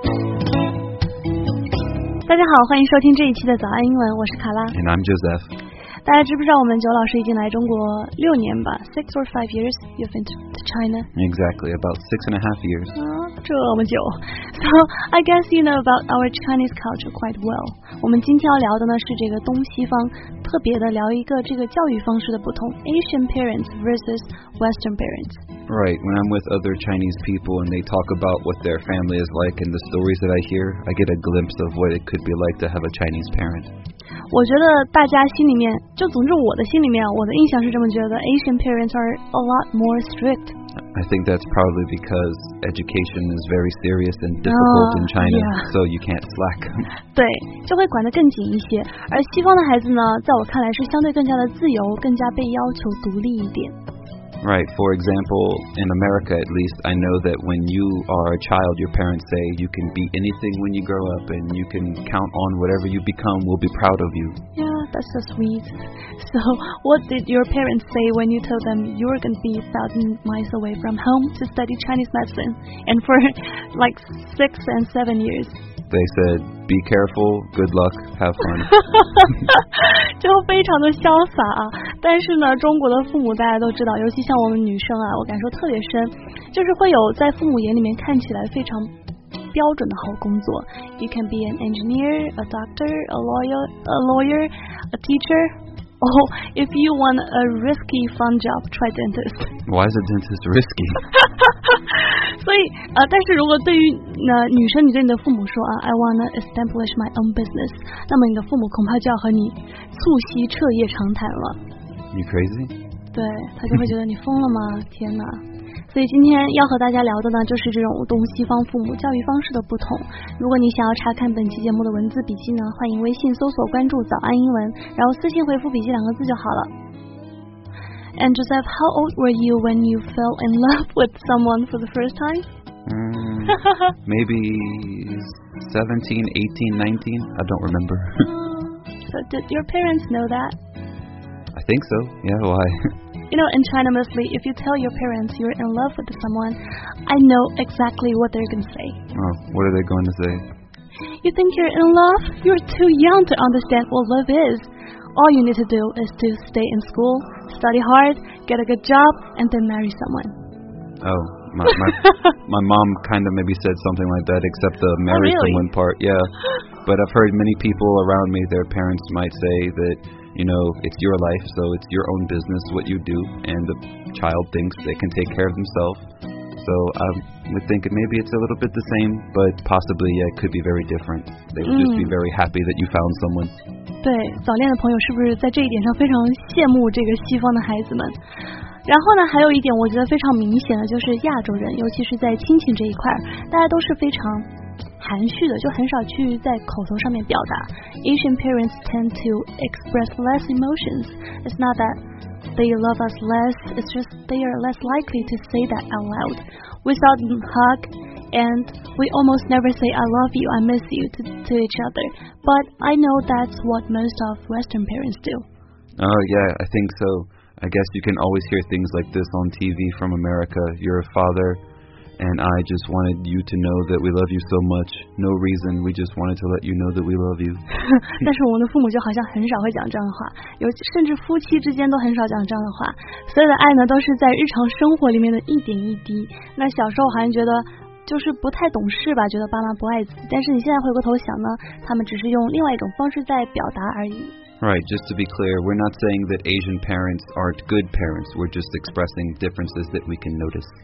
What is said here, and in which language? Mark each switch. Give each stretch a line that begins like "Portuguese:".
Chinese: 大家好，欢迎收听这一期的早安英文，我是卡拉。
English: And I'm Joseph。
Chinese: 大家知不知道我们九老师已经来中国六年吧？
English: 6 or 5 years you've been to China? Exactly, about 6.5 years、
Chinese: 这么久。
English: So I guess you know about our Chinese culture quite well。
Chinese: 我们今天要聊的呢是这个东西方，特别的聊一个这个教育方式的不同，
English: Asian parents versus Western parents。 Right, when I'm with other Chinese people and they talk about what their family is like and the stories that I hear, I get a glimpse of what it could be like to have a Chinese parent.
Chinese: 我觉得大家心里面，就总之我的心里面，我的印象是这么觉得，
English: Asian parents are a lot more strict. I think that's probably because education is very serious and difficult in China, so you can't slack.
Chinese: 对，就会管得更紧一些。而西方的孩子呢，在我看来是相对更加的自由，更加被要求独立一点。
English: Right, for example, in America at least, I know that when you are a child, your parents say you can be anything when you grow up and you can count on whatever you become, we'll be proud of you. Yeah, that's so sweet. So, what did your parents say when you told them you were going to be 1,000 miles away from home to study Chinese medicine and for like 6 and 7 years? They said, be careful, good luck, have fun.
Chinese: 就非常的潇洒啊。但是呢，中国的父母大家都知道，尤其像我们女生啊，我感受特别深，就是会有在父母眼里面看起来非常标准的好工作。
English: You can be an engineer, a doctor, a lawyer, a teacher. Oh, if you want a risky fun job, try dentist. Why is a dentist risky?
Chinese: 所以但是如果对于女生，你对你的父母说啊 ，
English: I wanna establish my own business，
Chinese: 那么你的父母恐怕就要和你促膝彻夜长谈了。
English: You crazy?
Chinese: 对，他就会觉得你疯了吗？天哪！所以今天要和大家聊的呢，就是这种东西方父母教育方式的不同。如果你想要查看本期节目的文字笔记呢，欢迎微信搜索关注“早安英文”，然后私信回复“笔记”两个字就好了。
English: And Joseph, how old were you when you fell in love with someone for the first time? Maybe 17, 18, 19. I don't remember. So did your parents know that? I think so. Yeah, why? You know, in China mostly, if you tell your parents you're in love with someone, I know exactly what they're going to say. Oh, what are they going to say? You think you're in love? You're too young to understand what love is. All you need to do is to stay in school, study hard, get a good job, and then marry someone. Oh, my mom kind of maybe said something like that, except the marry someone part. Yeah, but I've heard many people around me, their parents might say that... You know, it's your life, so it's your own business what you do, and the child thinks they can take care of themselves. So I would think maybe it's a little bit the same, but possibly, yeah, it could be very different. They would just be very happy that you found someone.
Chinese: 对，早恋的朋友是不是在这一点上非常羡慕这个西方的孩子们？然后呢，还有一点我觉得非常明显的就是亚洲人，尤其是在亲情这一块，大家都是非常含蓄的，就很少去在口头上面表达。
English: Asian parents tend to express less emotions. It's not that they love us less, it's just they are less likely to say that out loud. We seldom hug, and we almost never say I love you, I miss you to each other. But I know that's what most of Western parents do. Oh, yeah, I think so. I guess you can always hear things like this on TV from America. Your father... And I just wanted you to know that we love you so much. No reason, we just wanted to let you know that we love you.
Chinese: 但是我们的父母就好像很少会讲这样的话，有甚至夫妻之间都很少讲这样的话。所有的爱呢，都是在日常生活里面的一点一滴。那小时候好像觉得就是不太懂事吧，觉得爸妈不爱自己。但是你现在回过头想呢，他们只是用另外一种方式在表达而已。
English: Right, just to be clear, we're not saying that Asian parents aren't good parents. We're just expressing differences that we can notice.